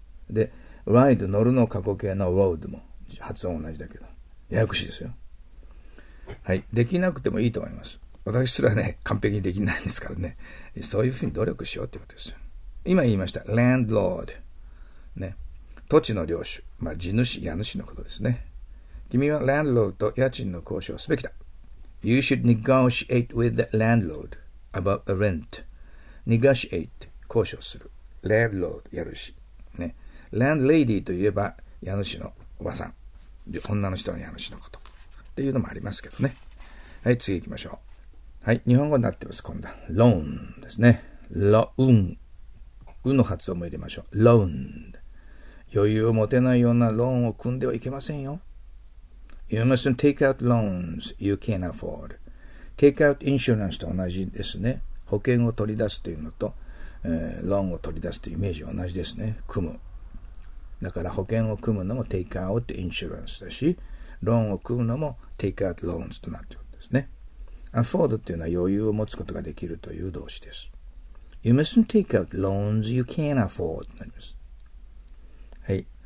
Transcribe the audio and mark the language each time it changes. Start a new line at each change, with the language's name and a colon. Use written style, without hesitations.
Japanese: で、ライド、乗るの過去形のロードも、発音同じだけど、ややこしいですよ。はい。できなくてもいいと思います。私すらね、完璧にできないんですからね。そういうふうに努力しようってことですよ。今言いました、ランドロード。ね。土地の領主。まあ、地主、家主のことですね。君は landlord と家賃の交渉すべきだ。
English: You should negotiate with the landlord about a rent.
Japanese: Negotiate, 交渉する。landlord, 家主。ね。 landlady といえば、家主のおばさん。女の人の家主のこと。っていうのもありますけどね。はい、次行きましょう。はい、日本語になってます、今度は。 loan ですね。loan。うの発音も入れましょう。
English: loan。
Japanese: 余裕を持てないようなローンを組んではいけませんよ。
English: You mustn't take out loans you can't afford. Take out insurance
Japanese: と同じですね。保険を取り出すというのと、ローンを取り出すというイメージは同じですね。組む。だから保険を組むのも
English: take out insurance
Japanese: だし、ローンを組むのも
English: take out loans
Japanese: となっているんですね。 afford というのは余裕を持つことができるという動詞です。
English: You mustn't take out loans you can't afford
Japanese: となります。はい。